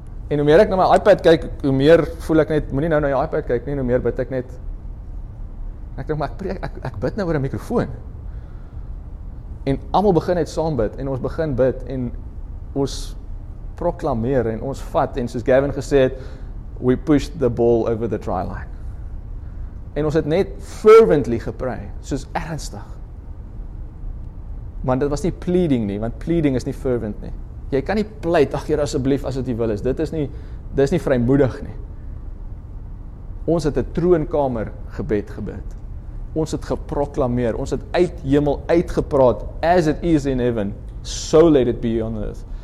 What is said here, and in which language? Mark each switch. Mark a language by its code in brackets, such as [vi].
[af] En hoe meer ek na my iPad kyk, hoe meer voel ek net, moenie nou na jou iPad kyk nie, hoe meer bid ek net. Ek dink maar ek bid nou oor 'n mikrofoon. En almal begin net saam bid en ons begin bid en ons proklameer en ons vat en soos Gavin gesê het, [en] we push the ball over the try line. [af] En ons het net fervently gepray, soos ernstig. Maar dit was nie pleading nie, want pleading is nie fervent nie. Jy kan nie pleit, ag Here asseblief as dit U wil is. Dit is nie vrymoedig nie. Ons het 'n troonkamer gebed gebid. Ons het geproklameer, ons het uit hemel uitgepraat, [en] as it is in heaven, so let it be on earth.